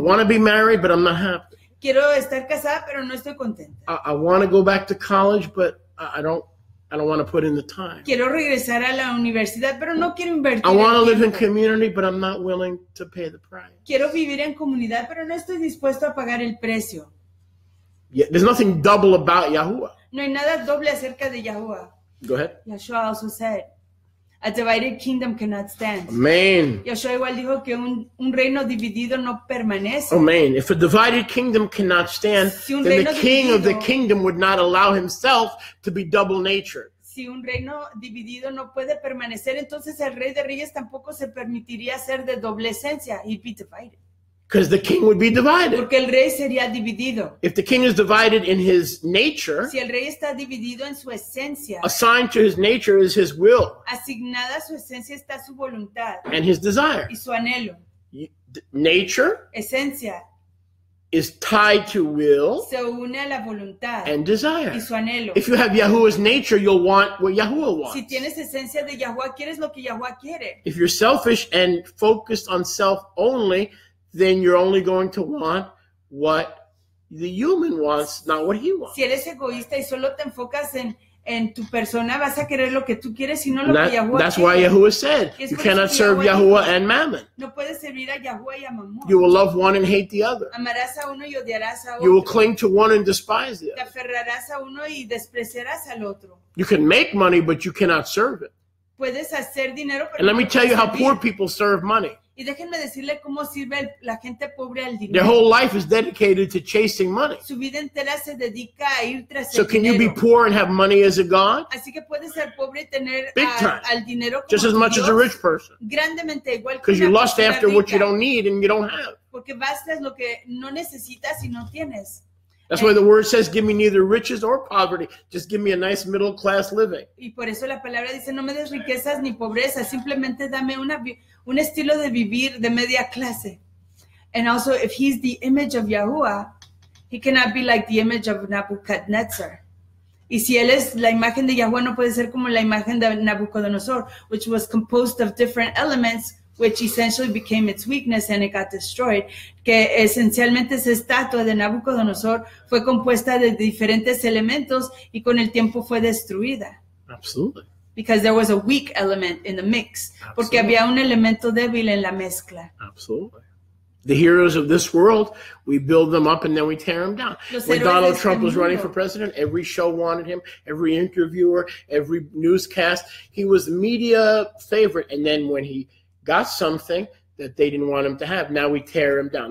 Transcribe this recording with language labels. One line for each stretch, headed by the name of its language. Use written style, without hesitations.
English: I want to be married, but I'm not happy.
Spanish: Quiero estar casada, pero no estoy contenta.
English: I want to go back to college, but I don't want to put in the time.
Spanish: Quiero regresar a la universidad, pero no quiero invertir.
English: I want to live in community, but I'm not willing to pay the price.
Spanish: Quiero vivir en comunidad, pero no estoy dispuesto a pagar el precio.
English: Yeah, there's nothing double about Yahuwah.
Spanish: No hay nada doble acerca de Yahuwah.
English: Go ahead. Yahshua also said, a divided kingdom cannot stand. Amen.
Spanish: Yahshua igual dijo que un reino dividido no permanece.
English: Amen. If a divided kingdom cannot stand,
Spanish: si
English: then the king
Spanish: dividido,
English: of the kingdom would not allow himself to be double natured.
Spanish: Si un reino dividido no puede permanecer, entonces el rey de reyes tampoco se permitiría ser de doble esencia.
English: He'd be divided. Because the king would be divided.
Spanish: Porque el rey sería dividido.
English: If the king is divided in his nature,
Spanish: si el rey está dividido en su esencia,
English: assigned to his nature is his will.
Spanish: Asignada su esencia está su voluntad.
English: And his desire.
Spanish: Y su anhelo.
English: Nature.
Spanish: Esencia.
English: Is tied to will.
Spanish: Se une a la voluntad.
English: And desire.
Spanish: Y su anhelo.
English: If you have Yahuwah's nature, you'll want what Yahuwah wants.
Spanish: Si tienes esencia de Yahuwah, quieres lo que Yahuwah quiere.
English: If you're selfish and focused on self only, then you're only going to want what the human wants, not what he wants.
Spanish: Si eres egoísta y solo te enfocas en tu persona, vas a querer lo que tú quieres y no lo que Yahuwah quiere.
English: That's why Yahuwah said, you cannot serve Yahuwah and mammon.
Spanish: No puedes servir a Yahuwah y a mammon.
English: You will love one and hate the other.
Spanish: Amarás a uno y odiarás a otro.
English: You will cling to one and despise the other.
Spanish: Te aferrarás a uno y despreciarás al otro.
English: You can make money, but you cannot serve it.
Spanish: Puedes hacer dinero, pero
English: and let me tell you how poor people serve money.
Spanish: Y déjenme decirle cómo sirve la gente pobre al dinero.
English: Their whole life is dedicated to chasing money.
Spanish: Su vida entera se dedica a ir tras el dinero.
English: So can you be poor and have money as a god?
Spanish: Así que puedes ser pobre y tener al dinero como
English: just as much
Spanish: Dios,
English: as a rich person.
Spanish: Grandemente igual que una rica.
English: Because you lust after what you don't need and you don't have.
Spanish: Porque vas tras lo que no necesitas y no tienes.
English: That's why the word says, give me neither riches or poverty. Just give me a nice middle class living.
Spanish: Y por eso la palabra dice, no me des riquezas ni pobreza. Simplemente dame un estilo de vivir de media clase.
English: And also, if he's the image of Yahuwah, he cannot be like the image of Nebuchadnezzar.
Spanish: Y si él es la imagen de Yahuwah, no puede ser como la imagen de Nabucodonosor,
English: which was composed of different elements, which essentially became its weakness and it got destroyed.
Spanish: Que esencialmente esa estatua de Nabucodonosor fue compuesta de diferentes elementos y con el tiempo fue destruida.
English: Absolutely. Because there was a weak element in the mix. Absolutely.
Spanish: Porque había un elemento débil en la mezcla.
English: Absolutely. The heroes of this world, we build them up and then we tear them down.
Spanish: Los
English: when Donald
Spanish: este
English: Trump
Spanish: mundo.
English: Was running for president, every show wanted him, every interviewer, every newscast. He was the media favorite. And then when he got something that they didn't want him to have, now we tear him down.